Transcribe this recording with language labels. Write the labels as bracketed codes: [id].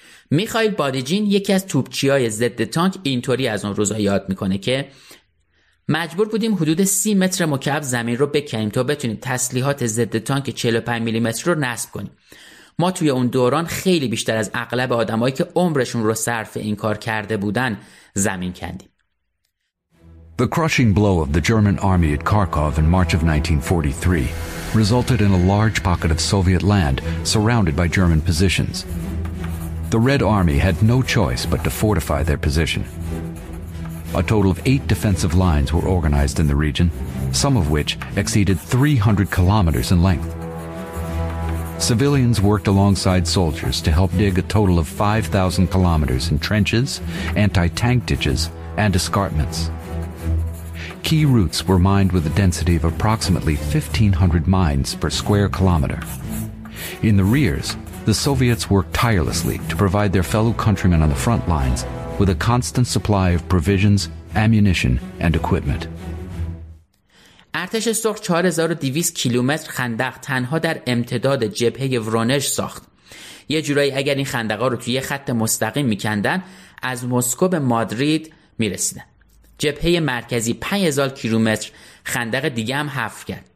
[fa] میخائیل بادیجین، یکی از توپچی‌های ضد تانک، اینطوری از اون روزا یاد می‌کنه که مجبور بودیم حدود 30 متر مکعب زمین رو بکنیم تا بتونیم تسلیحات ضد تانک 45 میلی‌متر رو نصب کنیم. ما توی اون دوران خیلی بیشتر از اغلب آدمایی که عمرشون رو صرف این کار کرده بودن زمین کندیم. [en] The crushing blow of the German army at Kharkov in March of 1943 resulted in a large pocket of Soviet land surrounded by German positions. The Red Army had no choice but to fortify their position. A total of 8 defensive lines were organized in the region, some of which exceeded 300 kilometers in length. Civilians worked alongside soldiers to help dig a total of 5,000 kilometers in trenches, anti-tank ditches, and escarpments. Key routes were mined with a density of approximately 1,500 mines per square kilometer. In the rears, the Soviets worked tirelessly to provide their fellow countrymen on the front lines with a constant supply of provisions, ammunition, and equipment. [fa] ارتش سرخ 4200 کیلومتر خندق تنها در امتداد جبهه ورونژ ساخت. یه جورایی اگر این خندقا رو توی یه خط مستقیم می‌کندن از مسکو به مادرید می‌رسیدن. جبهه مرکزی 5000 کیلومتر خندق دیگه هم حفر کرد.